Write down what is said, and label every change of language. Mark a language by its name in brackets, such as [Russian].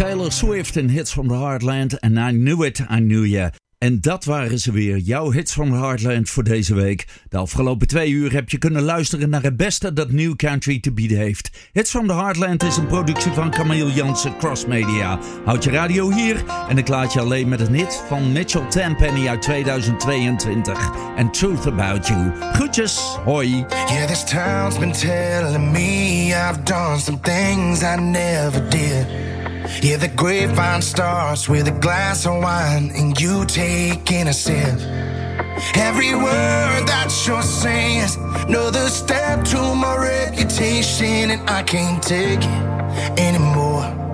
[English] Swift in Hits from the Heartland, and I knew it, I knew ya. [Dutch] En dat waren ze weer, jouw hits van Heartland voor deze week. De afgelopen 2 uur heb je kunnen luisteren naar het beste dat New Country te bieden heeft. Hits van the Heartland is een productie van Camille Jansen Cross Media. Houd je radio hier en ik laat je alleen met een hit van Mitchell Tenpenny uit 2022. [English] And Truth About You. [Dutch] Groetjes, hoi. [English] Yeah, this town's been telling me I've done some things I never did. Yeah, the grapevine starts with a glass of wine and you take in a sip. Every word that you're saying is another step to my reputation, and I can't take it anymore.